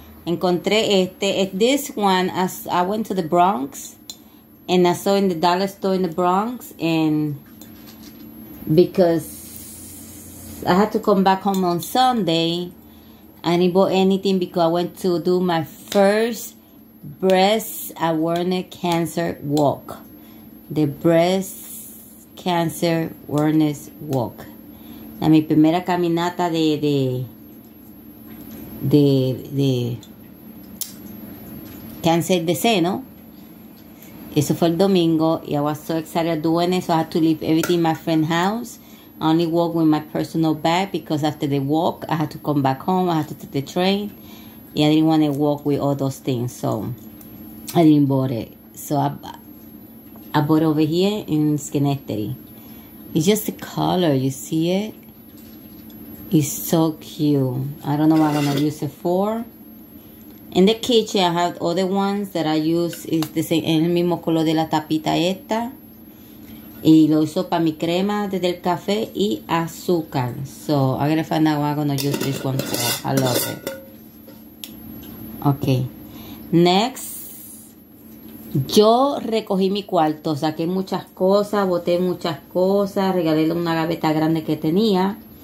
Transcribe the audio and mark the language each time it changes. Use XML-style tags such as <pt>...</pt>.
<es>Encontré</es> <en>this one as I went to the Bronx and I saw in the dollar store in the Bronx, and because I had to come back home on Sunday, I didn't buy anything because I went to do my first breast awareness cancer walk. The breast cancer awareness walk.</en> <es>La mi primera caminata de cancer de seno. Eso fue el domingo. Y</es> <en>I was so excited doing it. So I had to leave everything in my friend's house. I only walk with my personal bag. Because after the walk, I had to come back home. I had to take the train. And I didn't want to walk with all those things. So I didn't bought it. So I bought it over here in Schenectady. It's just the color. You see it? It's so cute. I don't know what I'm going to use it for. In the kitchen, I have other ones that I use. Is the same,</en> <es>el mismo color de la tapita esta. Y lo uso para mi crema desde el café y azúcar.</es> <en>So, I'm gonna find out what I'm gonna use this one for. I love it. Okay. Next.</en> <es>Yo recogí mi cuarto. Saqué muchas cosas. Boté muchas cosas. Regalé una gaveta grande que tenía.</es>